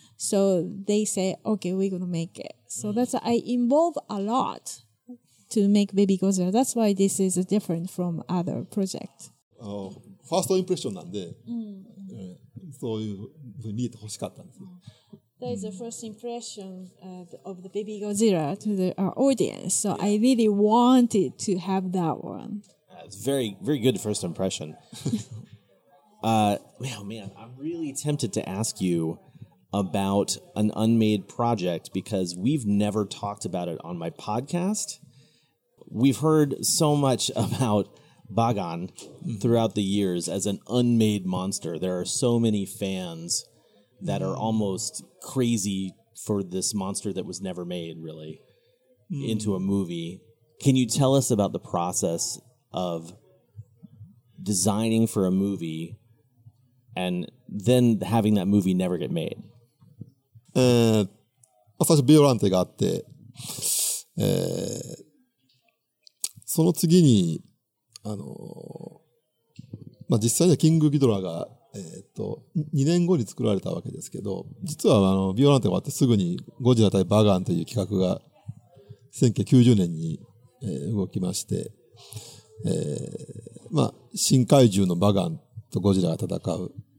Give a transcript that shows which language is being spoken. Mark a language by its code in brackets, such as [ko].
[en] So they say, okay, we're going to make it. So that's, I involve a lot to make Baby Godzilla. That's why this is different from other projects. [ja] ファーストインプレッションなんで、そういうふうに見えてほしかったんですよ。 [en] That is the first impression of the Baby Godzilla to the audience. So I really wanted to have that one. It's very, very good first impression. man, I'm really tempted to ask you about an unmade project because we've never talked about it on my podcast. We've heard so much about Bagan throughout the years as an unmade monster. There are so many fans that are almost crazy for this monster that was never made, really, into a movie. Can you tell us about the process of designing for a movie and then having that movie never get made? First, [ja] ビオランテがあって、その次に、実際にはキングギドラが、2年後に作られたわけですけど、実はビオランテが終わってすぐにゴジラ対バガンという企画が1990年に、動きまして、新怪獣のバガンとゴジラが戦う。